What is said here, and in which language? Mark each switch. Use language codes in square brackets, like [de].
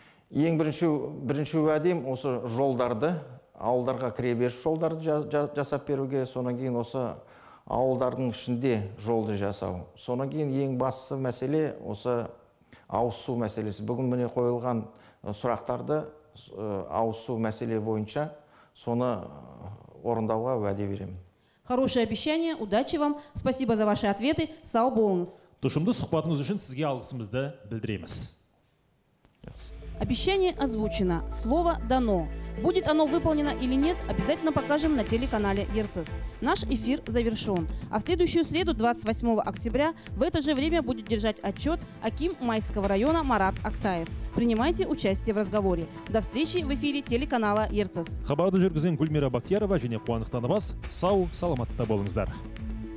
[kk] Ең бірінші уәдем осы жолдарды, ауылдарға кіреберіс жолдарды жасап беруге, сонан кейін осы ауылдардың ішінде жолды жасау. Сонан кейін ең басты мәселе осы ауызсу мәселесі. Бүгін міне қойылған сұрақтарды ауызсу мәселе бойынша соны орындауға уәде беремін. [ru] Хорошее обещание, удачи вам, спасибо за ваши ответы, [kk] сау болыңыз. Тұшымды сұхбатыңыз үшін сізге алғысымызды білдіреміз. [ru] Обещание озвучено, слово дано. Будет оно выполнено или нет, обязательно покажем на телеканале ЕРТС. Наш эфир завершен. А в следующую среду, 28 октября, в это же время будет держать отчет аким Майского района Марат Актаев. Принимайте участие в разговоре. До встречи в эфире телеканала ЕРТС. [kk] Хабарды жүргізген Гүлмира Бактиярова, және Қуандықтан бас. Сау, саламатта болыңыздар.